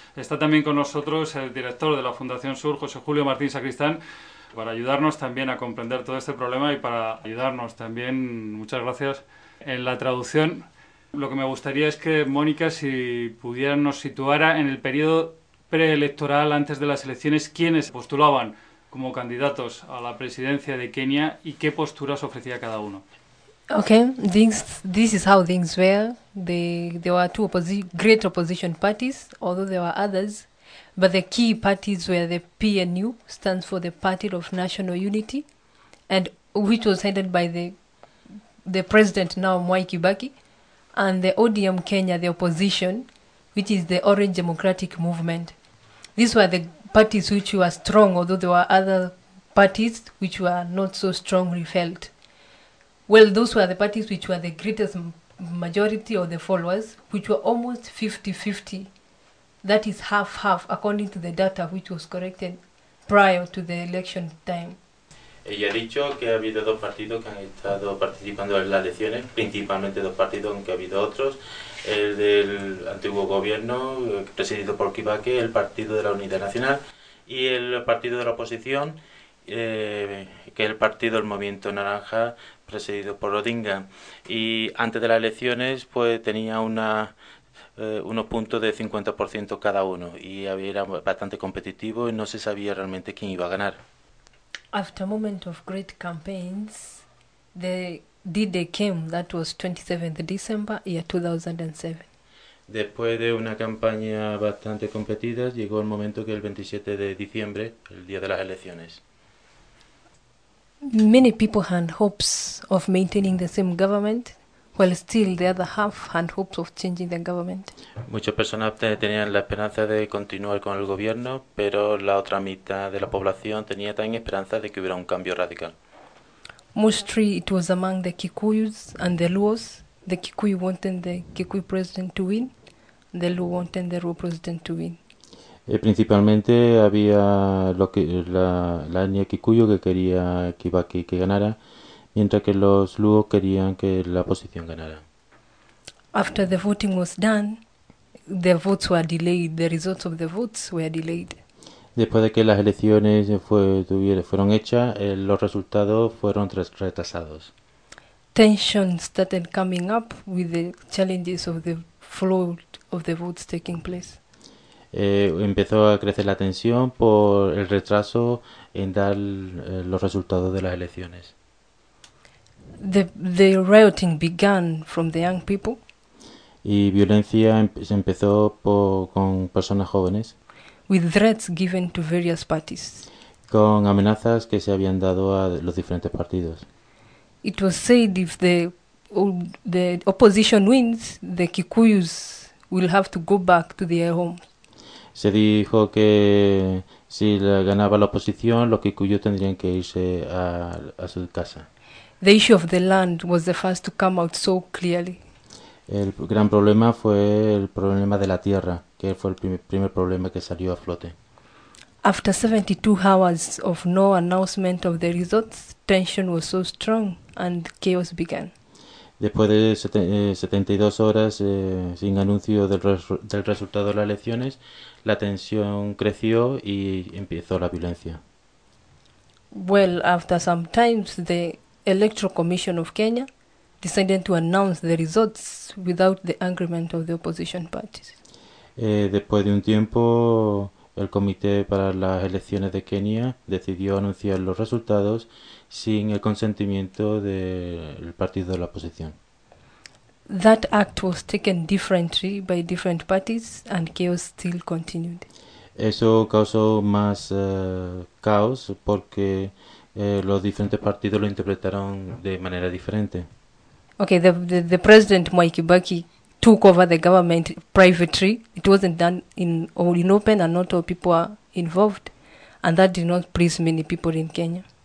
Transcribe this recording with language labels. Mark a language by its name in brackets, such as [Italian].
[Spanish] Está también con nosotros el director de la Fundación Sur, José Julio Martín Sacristán, para ayudarnos también a comprender todo este problema y para ayudarnos también, muchas gracias, en la traducción. Lo que me gustaría es que Mónica, si pudiera, nos situara en el periodo preelectoral antes de las elecciones, quiénes postulaban como candidatos a la presidencia de Kenia y qué posturas ofrecía cada uno. [English] Okay, this is how things were. There were two great opposition parties, although there were others, but the key parties were the PNU, stands for the Party of National Unity, and which was headed by the president now Mwai Kibaki, and the ODM Kenya, the opposition, which is the Orange Democratic Movement. These were the parties which were strong, although there were other parties which were not so strongly felt. Well, those were the parties which were the greatest majority of the followers, which were almost 50-50. That is half-half, according to the data which was collected prior to the election time. [Spanish] Ella ha dicho que ha habido dos partidos que han estado participando en las elecciones, principalmente dos partidos, aunque ha habido otros. El del antiguo gobierno, presidido por Kibaki, el Partido de la Unidad Nacional, y el partido de la oposición, que es el partido del Movimiento Naranja, presidido por Odinga. Y antes de las elecciones, pues tenía unos puntos de 50% cada uno, y era bastante competitivo y no se sabía realmente quién iba a ganar. [English] After a moment of great campaigns, the D-Day came, that was 27th December, year 2007. [Spanish] Después de una campaña bastante competida, llegó el momento que el 27 de diciembre, el día de las elecciones. [English] Many people had hopes of maintaining the same government, while still the other half had hopes of changing the government. [Spanish] Muchas personas tenían la esperanza de continuar con el gobierno, pero la otra mitad de la población tenía también esperanza de que hubiera un cambio radical. [English] Mostly it was among the Kikuyus and the Luos. The Kikuyu wanted the Kikuyu president to win, the Luo wanted the Luo president to win. [Spanish] Principalmente había la etnia Kikuyu que quería Kibaki que ganara, mientras que los Luo querían que la oposición ganara. [English] After the voting was done, the votes were delayed. The results of the votes were delayed. [Spanish] Después de que las elecciones fueron hechas, los resultados fueron retrasados. [English] Tension started coming up with the challenges of the flow of the votes taking place. [Spanish] Empezó a crecer la tensión por el retraso en dar los resultados de las elecciones. [English] The rioting began from the young people. [Spanish] Y violencia empezó con personas jóvenes. [English] With threats given to various parties. [Spanish] Con amenazas que se habían dado a los diferentes partidos. [English] It was said if the opposition wins, the Kikuyus will have to go back to their home. [Spanish] Se dijo que si ganaba la oposición, los Kikuyus tendrían que irse a su casa. [English] The issue of the land was the first to come out so clearly. [Spanish] El gran problema fue el problema de la tierra, que fue el primer problema que salió a flote. [English] After 72 hours of no announcement of the results, tension was so strong and chaos began. [Spanish] Después de 72 horas sin anuncio del resultado de las elecciones, la tensión creció y empezó la violencia. [English] Well, after some times the Electoral Commission of Kenya decided to announce the results without the agreement of the opposition parties. [Spanish] Después de un tiempo, el Comité para las Elecciones de Kenia decidió anunciar los resultados sin el consentimiento del partido de la oposición. [English] That act was taken differently by different parties and chaos still continued. [Spanish] Eso causó más caos porque los diferentes partidos lo interpretaron de manera diferente. [English] Okay, the president Mwai Kibaki took over the government privately. It wasn't done in open and not all people are involved, and that did not please many people in Kenya.